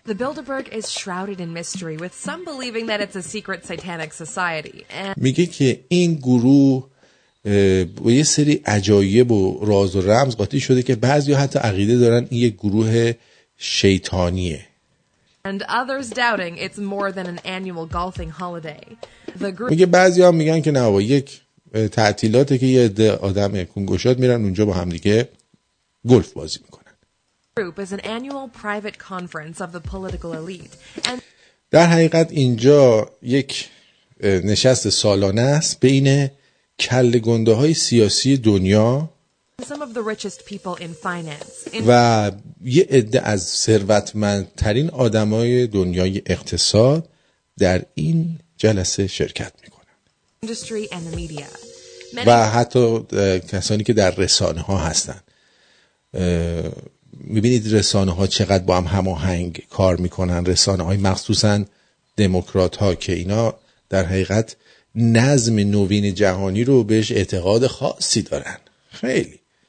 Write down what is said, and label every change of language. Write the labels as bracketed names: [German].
[English] The Bilderberg is shrouded in mystery with some believing that it's a secret satanic society. [Persian] میگه که این گروه با یه سری عجایب و راز و رمز قاطی شده که بعضی حتی عقیده دارن این یک گروه شیطانیه. [English] And others doubting it's more than an annual golfing holiday. [Persian] میگه بعضی ها میگن که نه با یک تعطیلاته که یه آدم کنگوشات میرن اونجا با همدیگه گلف بازی میکنن. [English] Club is an annual private conference of the political elite. [Persian] در حقیقت اینجا یک نشست سالانه است بین کله گنده های سیاسی دنیا [English] some of the richest people in finance. [Persian] و یه عده از ثروتمندترین آدمای دنیای اقتصاد در این جلسه شرکت میکنن. [English] Industry and the media. [Persian] و حتی کسانی که در رسانه ها هستن. میبینید رسانه ها چقدر با هم هماهنگ کار میکنن، رسانه های مخصوصا دموکرات ها که اینا در حقیقت نظم نوین جهانی رو بهش اعتقاد خاصی دارن. خیلی.